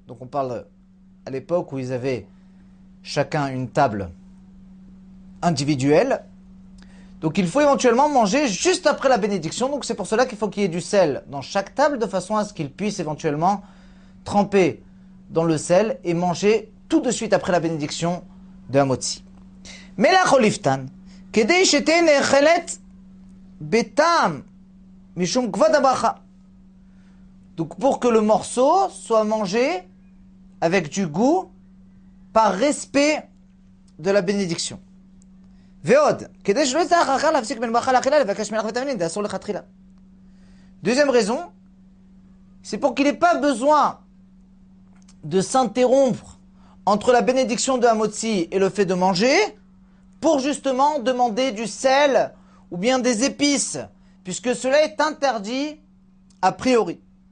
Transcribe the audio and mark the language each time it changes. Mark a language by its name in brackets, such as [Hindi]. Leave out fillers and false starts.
[French] Donc on parle à l'époque où ils avaient chacun une table individuelle. Donc il faut éventuellement manger juste après la bénédiction. Donc c'est pour cela qu'il faut qu'il y ait du sel dans chaque table de façon à ce qu'il puisse éventuellement tremper dans le sel et manger tout de suite après la bénédiction de Hamotzi. [Hebrew] Melach oliftan. כדי שתהיה נאכלת בטעם משום כבוד הברכה. [French] Donc pour que le morceau soit mangé avec du goût par respect de la bénédiction. [Hebrew] ועוד, כדי שלא יצטרך אחר להפסיק בין ברכה לאכילה לבקש מלח ותבלין, זה אסור לכתחילה. [French] Deuxième raison, c'est pour qu'il n'ait pas besoin de s'interrompre entre la bénédiction de Hamotzi et le fait de manger, pour justement demander du sel ou bien des épices, puisque cela est interdit a priori.